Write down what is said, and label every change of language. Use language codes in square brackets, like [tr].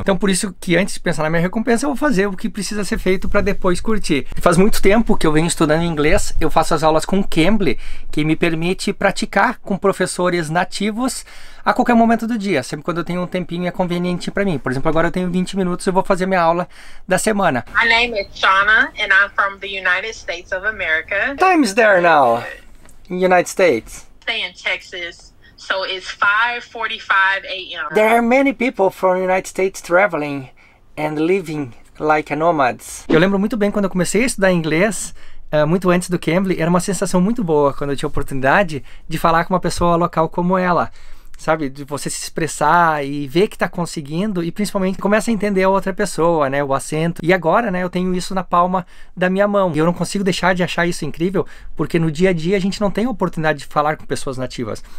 [pt] Então por isso que antes de pensar na minha recompensa, eu vou fazer o que precisa ser feito para depois curtir. Faz muito tempo que eu venho estudando inglês, eu faço as aulas com Cambly, que me permite praticar com professores nativos a qualquer momento do dia, sempre quando eu tenho um tempinho é conveniente para mim. Por exemplo, agora eu tenho 20 minutos, eu vou fazer minha aula da semana. [en] My name is Shauna and I'm from the United States of America. What time is there now in United States? Stay in Texas, so it's 5:45 a.m. There are many people from United States traveling and living like nomads. [pt] Eu lembro muito bem quando eu comecei a estudar inglês, muito antes do Cambly, era uma sensação muito boa quando eu tinha a oportunidade de falar com uma pessoa local como ela. Sabe, de você se expressar e ver que tá conseguindo e principalmente começa a entender a outra pessoa, né, o acento. E agora, né, eu tenho isso na palma da minha mão e eu não consigo deixar de achar isso incrível, porque no dia a dia a gente não tem oportunidade de falar com pessoas nativas.